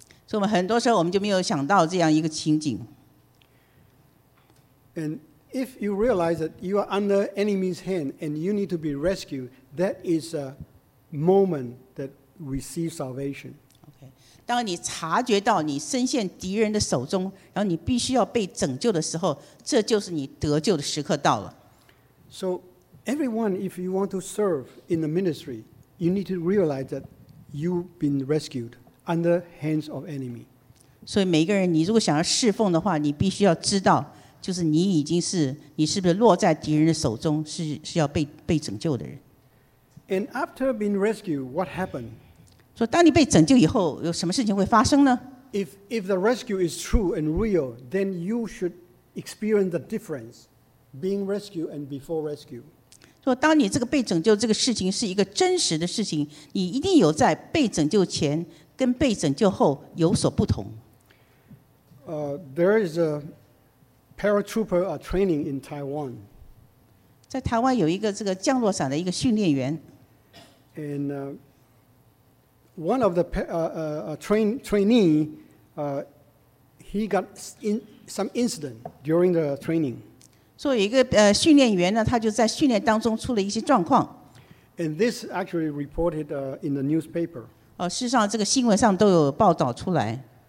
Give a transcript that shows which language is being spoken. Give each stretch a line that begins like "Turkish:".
Chinese: 所以我们很多时候我们就没有想到这样一个情景。
English: And if you realize that you are under enemy's hand and you need to be rescued, that is a moment that receives salvation. Okay.
Chinese: 当你察觉到你身陷敌人的手中，然后你必须要被拯救的时候，这就是你得救的时刻到了。
English: So everyone, if you want to serve in the ministry, you need to realize that you've been rescued under hands of enemy.
Chinese: 所以每个人，你如果想要侍奉的话，你必须要知道，就是你已经是你是不是落在敌人的手中，是要被拯救的人。
English: And after being rescued, what happened?
Chinese: 说当你被拯救以后，有什么事情会发生呢？
English: If the rescue is true and real, then you should experience the difference being rescued and before rescue.
Chinese: 说当你这个被拯救这个事情是一个真实的事情，你一定有在被拯救前跟被拯救后有所不同。
English: There is a paratrooper training in Taiwan.
Chinese: 在台湾有一个这个降落伞的一个训练员。
English: And one of the trainee, he got some incident during the training.
Chinese: 所以一个训练员呢，他就在训练当中出了一些状况。
English: And this actually reported in the newspaper.
Chinese: 事实上这个新闻上都有报道出来。